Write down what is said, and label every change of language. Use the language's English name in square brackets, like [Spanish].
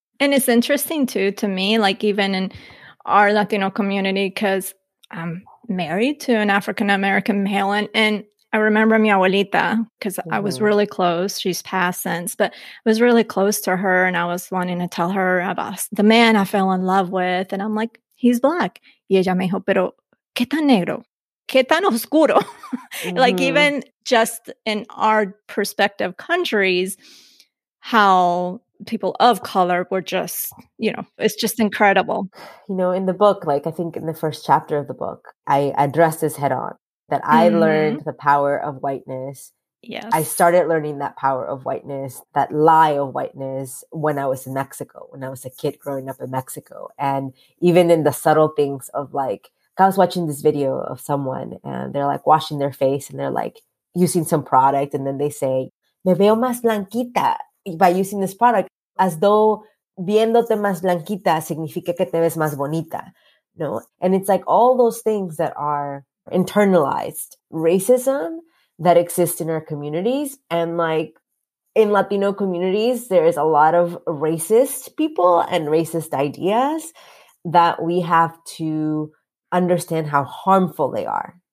[English] And it's interesting too, to me, like even in our Latino community, because I'm married to an African-American male. And I remember mi abuelita, because I was really close. She's passed since, but I was really close to her. And I was wanting to tell her about the man I fell in love with. And I'm like, he's Black. [Spanish] Y ella me dijo, pero ¿qué tan negro? ¿Qué tan oscuro? [English] Like, even just in our perspective countries, how people of color were just, you know, it's just incredible. You know, in the book, like, I think in the first chapter of the book, I address this head on, that I learned the power of whiteness. Yes. I started learning that power of whiteness, that lie of whiteness, when I was in Mexico, when I was a kid growing up in Mexico. And even in the subtle things of, like, I was watching this video of someone and they're like washing their face and they're like using some product. And then they say, [Spanish] me veo más blanquita [English] by using this product, as though [Spanish] viéndote más blanquita significa que te ves más bonita, ¿no? [English] And it's like all those things that are internalized racism that exists in our communities. And like in Latino communities, there is a lot of racist people and racist ideas that we have to understand how harmful they are.